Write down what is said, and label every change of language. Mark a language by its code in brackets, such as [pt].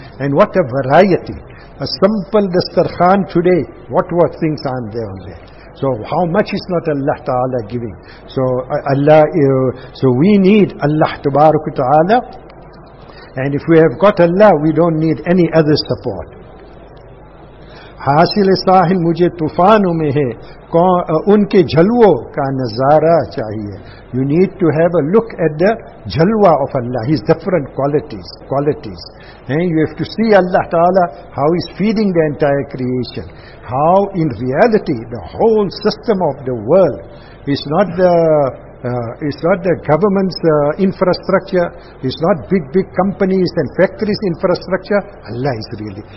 [en] And what a variety. A simple dastarkhan today, what things are there on there. So how much is not Allah Ta'ala giving? So Allah. So we need Allah Tabaraka Ta'ala. And if we have got Allah, we don't need any other support. [ur] حاصل ساحل مجھے طوفانوں میں ہے ان کے جھلووں کا نظارہ چاہیے. [en] You need to have a look at the jalwa of Allah, His different qualities. And you have to see Allah Ta'ala, how He's feeding the entire creation. How in reality the whole system of the world is not the It's not the government's infrastructure. It's not big companies and factories infrastructure. Allah is really.